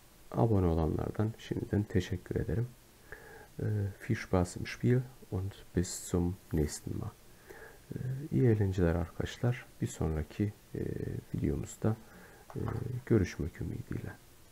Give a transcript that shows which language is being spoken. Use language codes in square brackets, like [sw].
[tr] Abone olanlardan şimdiden teşekkür ederim. [de] Viel Spaß im Spiel und bis zum nächsten Mal. [tr] İyi eğlenceler arkadaşlar. Bir sonraki videomuzda görüşmek ümidiyle.